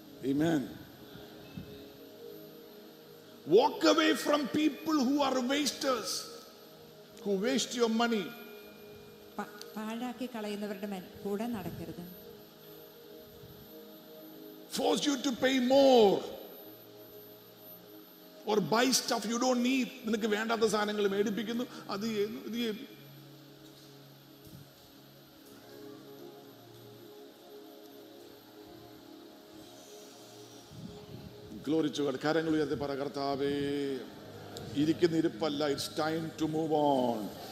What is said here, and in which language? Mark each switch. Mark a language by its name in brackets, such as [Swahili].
[Malayalam] Amen. [English] Walk away from people who are wasters, who waste your money. [Malayalam] പാഴാക്കി കളയുന്നവരുടെ കൂടെ നടക്കരുത്. [English] Force you to pay more or buy stuff you don't need. [Malayalam] നിനക്ക് വേണ്ടാത്ത സാധനങ്ങൾ മേടിപ്പിക്കുന്നു, അത് ചെയ്യുന്നു, ഇത് ചെയ്യുന്നു. [English] Glory to God. [Malayalam] കാര്യങ്ങൾ ഉയർത്തി പറ, കർത്താവേ, ഇരിക്കുന്ന ഇരിപ്പല്ല, [English] It's time to move on.